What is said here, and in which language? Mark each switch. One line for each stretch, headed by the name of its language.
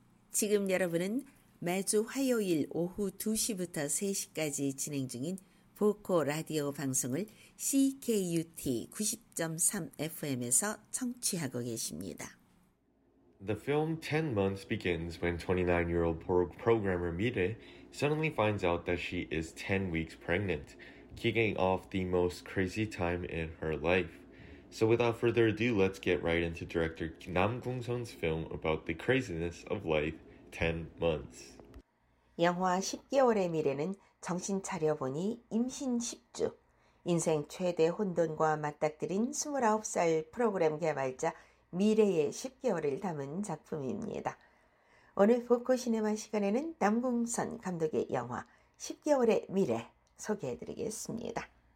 Korean: 지금 여러분은 매주 화요일 오후 2시부터 3시까지 진행 중인 보코 라디오 방송을 CKUT 90.3 FM에서 청취하고 계십니다.
English: The film 10 Months begins when 29-year-old programmer Mire suddenly finds out that she is 10 weeks pregnant, kicking off the most crazy time in her life. So without further ado, let's get right into director Nam Kung-sun's film about the craziness of life, 10 Months.
Korean: 영화 10개월의 미래는 정신 차려보니 임신 10주, 인생 최대 혼돈과 맞닥뜨린 29살 프로그램 개발자 미래의 10개월을 담은 작품입니다. 오늘 보코 시네마 시간에는 남궁선 감독의 영화 10개월의 미래 소개해드리겠습니다.